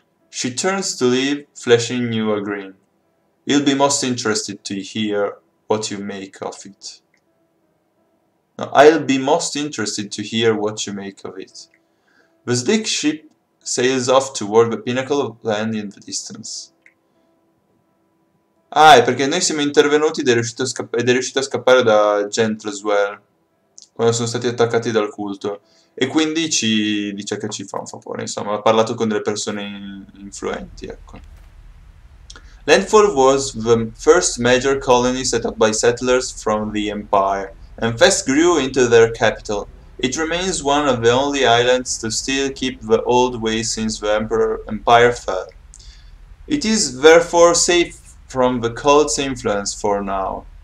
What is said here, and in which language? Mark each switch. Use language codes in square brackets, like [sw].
[en] She turns to leave, flashing you a grin. He'll be most interested to hear what you make of it. No, I'll be most interested to hear what you make of it. The sleek ship sails off toward the pinnacle of land in the distance. [it] Ah, è perché noi siamo intervenuti ed è riuscito a scappare da Gentleswell. Quando sono stati attaccati dal culto. E quindi ci dice che ci fa un favore, insomma, ha parlato con delle persone influenti, ecco. [en] Landfall was the first major colony set up by settlers from the Empire, and fast grew into their capital. It remains one of the only islands to still keep the old ways since the Empire fell. It is therefore safe from the cult's influence for now.